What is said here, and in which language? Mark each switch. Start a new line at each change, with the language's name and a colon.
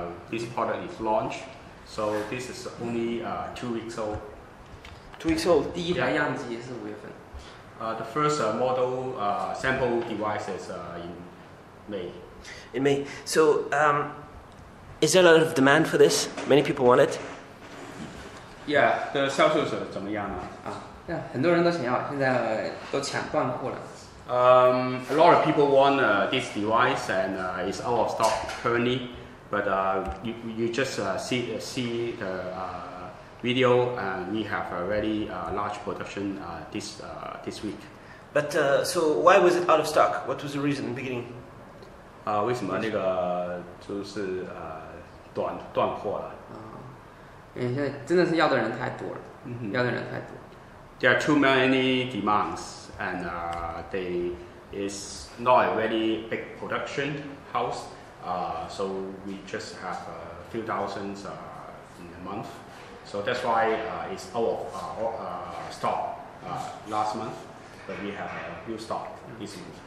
English: This product is launched, so this is only 2 weeks old. 2 weeks old.
Chinese: 第一台样机是五月份。
English: The first model sample device is in May. In May. So, is there a lot of demand for this? Many people want it. Yeah, the
Chinese: 销售是怎么样啊？很多人都想要，现在都抢断货了。
English: A lot of people want this device and it's out of stock currently, but you just see the video and we have a very large production this week. But so why was it out of stock? What was the reason in the beginning?
Chinese: 为什么那个就是断货了？现在真的是要的人太多了， mm-hmm. 要的人太多。
English: There are too many demands, and they is not a very big production house. So we just have a few thousands in a month. So that's why it's out of stock last month, but we have a new stock this month.